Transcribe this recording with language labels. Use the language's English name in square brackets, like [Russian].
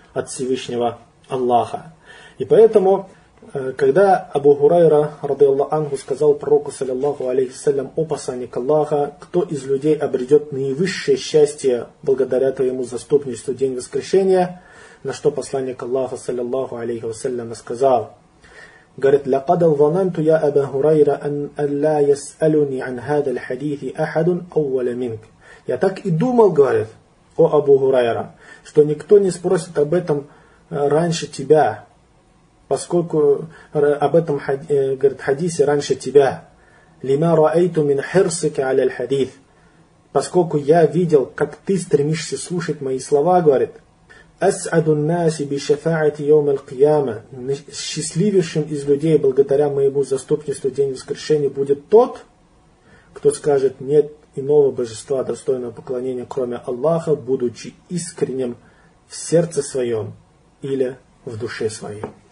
[Russian] От Всевышнего Аллаха. И поэтому, когда Абу Хурайра, радиаллаху анху, сказал пророку, саллиллаху алейхи вассалям, о посланник Аллаха, кто из людей обретет наивысшее счастье благодаря твоему заступничеству в день воскрешения, на что посланник Аллаха, саллиллаху алейхи вассалям, сказал, говорит, [Arabic] لقد ظننت يا أبا هريرة أن لا يسألني عن هذا الحديث أحد أول منك. [Russian] Я так и думал, говорит, о Абу Хурайра, что никто не спросит об этом раньше тебя, поскольку об этом говорит хадисе раньше тебя. [Arabic] لما رأيت من حرصك على الحديث. [Russian] Поскольку я видел, как ты стремишься слушать мои слова, говорит. [Arabic] أسعد الناس بشفاعة يوم القيامة. [Russian] Счастливейшим из людей благодаря моему заступничеству день воскрешения будет тот, кто скажет, нет иного божества достойного поклонения, кроме Аллаха, будучи искренним в сердце своем или в душе своей.